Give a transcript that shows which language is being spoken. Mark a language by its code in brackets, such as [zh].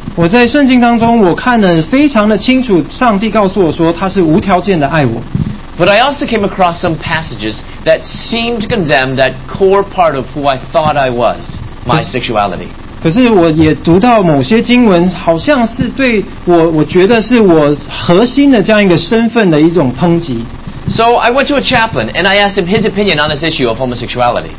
[zh] 我在圣经当中我看得非常的清楚，上帝告诉我说他是无条件的爱我。 [en] But I also came across some passages that seemed to condemn that core part of who I thought I was, my sexuality. [zh] 可是我也读到某些经文好像是对我，我觉得是我核心的这样一个身份的一种抨击。 [en] So I went to a chaplain and I asked him his opinion on this issue of homosexuality.